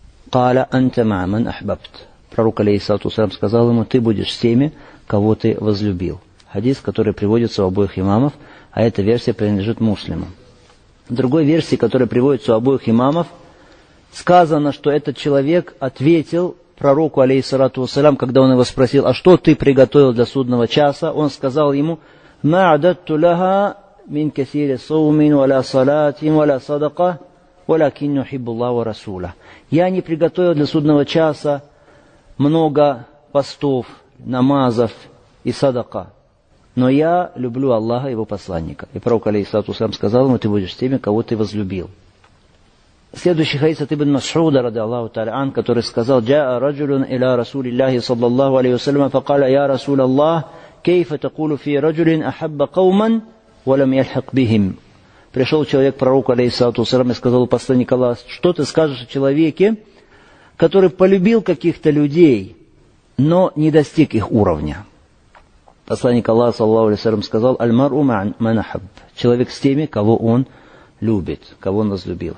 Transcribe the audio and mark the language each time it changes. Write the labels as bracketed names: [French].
[Arabic] «Каля анта маа ман ахбабт». [Russian] Пророк, алейхиссалату вассалам, сказал ему, «Ты будешь с теми, кого ты возлюбил». Хадис, который приводится у обоих имамов, а эта версия принадлежит муслимам. В другой версии, которая приводится у обоих имамов, сказано, что этот человек ответил пророку, алейхиссалату вассалам, когда он его спросил, «А что ты приготовил для судного часа?» Он сказал ему, [Arabic] ما عددت لها من كثير صوم ولا صلاة ولا صدقة ولكن أحب الله ورسوله. [Russian] Я не приготовил для судного часа много постов, намазов и садака, но я люблю Аллаха и его посланника. И пророк алейхиссалату вассалям сказал ему, ты будешь с теми, кого ты возлюбил. Следующий хадис от ибн Масуда радиаллаху та'аля ан, который сказал: [Arabic] جاء رجل إلى رسول الله صلى الله عليه وسلم فقال يا رسول الله كيف تقول في رجل أحب قوما ولم يلحق بهم. [Russian] Пришел человек к пророку алейхиссалату вассалям и сказал: посланник Аллаха, что ты скажешь о человеке, который полюбил каких-то людей, но не достиг их уровня? Посланник Аллаха саллаллаху алейхи ва саллям сказал: [Arabic] аль-мар'у ман ахабб, [Russian] человек с теми, кого он любит, кого он возлюбил.